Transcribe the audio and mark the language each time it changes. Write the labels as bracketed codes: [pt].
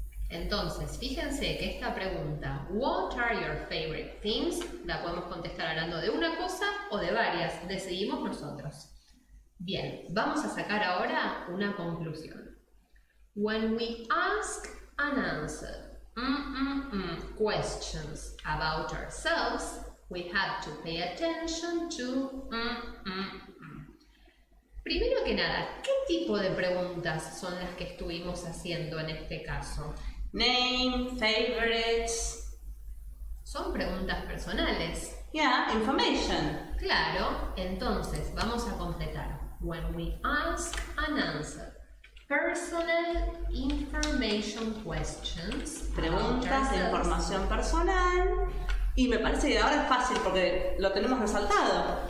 [es] Entonces, fíjense que esta pregunta, [en] what are your favorite things, [es] la podemos contestar hablando de una cosa o de varias, decidimos nosotros. Bien, vamos a sacar ahora una conclusión. [en] When we ask an answer, questions about ourselves, we have to pay attention to... [es] Primero que nada, ¿qué tipo de preguntas son las que estuvimos haciendo en este caso? [en] Name, favorites. [es] Son preguntas personales. [en] Yeah, information. [es] Claro, entonces vamos a completar. [en] When we ask and answer personal information questions. [es] Preguntas de información personal. Y me parece que ahora es fácil porque lo tenemos resaltado.